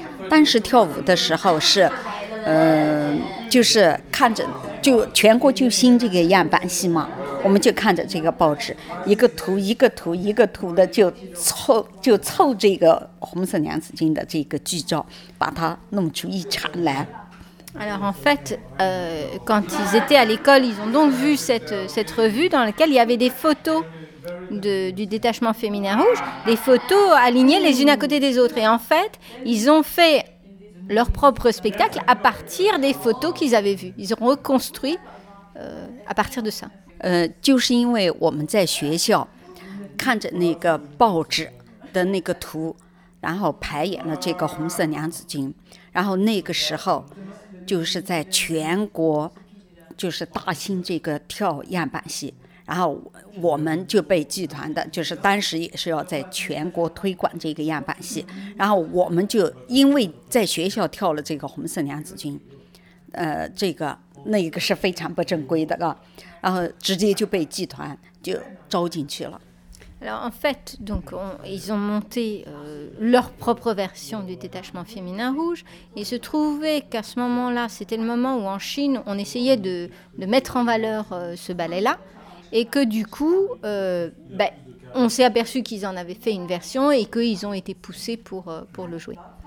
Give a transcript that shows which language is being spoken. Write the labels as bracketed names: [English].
[Chinese] 当时跳舞的时候是，就是看着就全国就兴这个样板戏嘛，我们就看着这个报纸，一个图一个图一个图的就凑这个红色娘子军的这个剧照，把它弄出一场来。 [French] Alors en fait, quand ils étaient à l'école, ils ont donc vu cette revue dans laquelle il y avait des photos du détachement féminin rouge, des photos alignées les unes à côté des autres. Et en fait, ils ont fait leur propre spectacle à partir des photos qu'ils avaient vues. Ils ont reconstruit à partir de ça. [Chinese] 就是因为我们在学校看着那个报纸的那个图，然后排演了这个红色娘子军，然后那个时候。就是在全国就是大兴这个跳样板戏，然后我们就被剧团的就是当时也是要在全国推广这个样板戏，然后我们就因为在学校跳了这个红色娘子军，这个那个是非常不正规的，然后直接就被剧团就招进去了。 [French] Alors en fait, donc, ils ont monté leur propre version du détachement féminin rouge. Il se trouvait qu'à ce moment-là, c'était le moment où en Chine, on essayait de mettre en valeur ce ballet-là. Et que du coup, on s'est aperçu qu'ils en avaient fait une version et qu'ils ont été poussés pour le jouer.